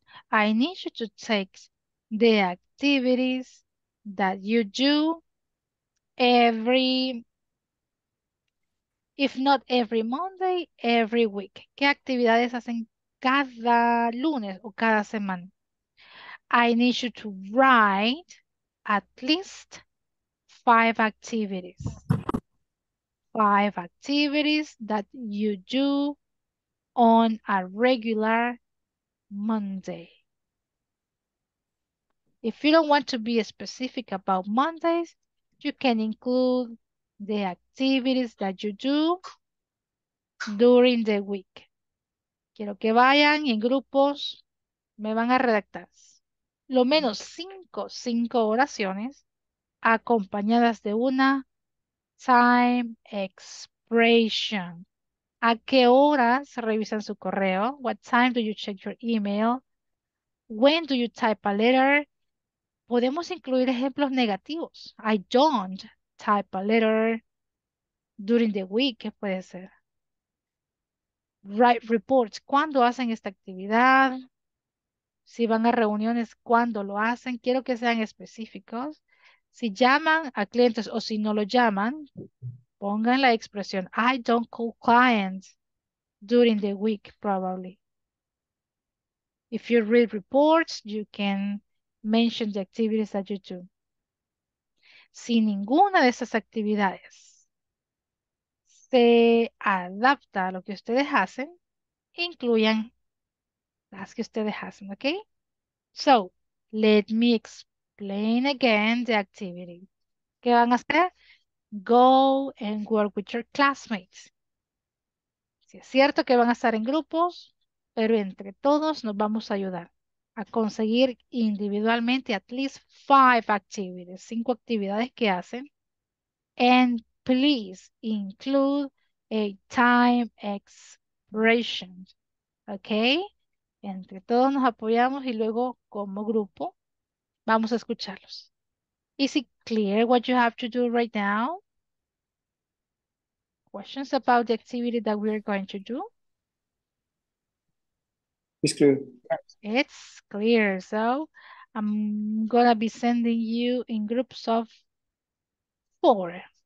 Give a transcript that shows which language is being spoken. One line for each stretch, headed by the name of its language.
English: I need you to take the activities that you do every, if not every Monday, every week.
Spanish: ¿Qué actividades hacen cada lunes o cada semana?
English: I need you to write at least 5 activities. 5 activities that you do on a regular Monday. If you don't want to be specific about Mondays, you can include the activities that you do during the week.
Spanish: Quiero que vayan en grupos, me van a redactar lo menos 5 oraciones acompañadas de una time expression. ¿A qué horas revisan su correo?
English: What time do you check your email? When do you type a letter?
Spanish: Podemos incluir ejemplos negativos.
English: I don't type a letter during the week.
Spanish: ¿Qué puede ser?
English: Write reports.
Spanish: ¿Cuándo hacen esta actividad? Si van a reuniones, ¿cuándo lo hacen? Quiero que sean específicos. Si llaman a clientes o si no lo llaman, pongan la expresión
English: I don't call clients during the week, probably. If you read reports, you can mention the activities that you do.
Spanish: Si ninguna de esas actividades se adapta a lo que ustedes hacen, incluyan las que ustedes hacen, okay?
English: So, let me explain. Explain again the activity.
Spanish: ¿Qué van a hacer?
English: Go and work with your classmates.
Spanish: Sí, es cierto que van a estar en grupos, pero entre todos nos vamos a ayudar a conseguir individualmente
English: at least 5 activities,
Spanish: 5 actividades que hacen.
English: And please include a time expression. ¿Ok?
Spanish: Entre todos nos apoyamos y luego como grupo. Vamos a escucharlos.
English: Is it clear what you have to do right now? Questions about the activity that we are going to do? It's clear. It's clear. So I'm going to be sending you in groups of 4.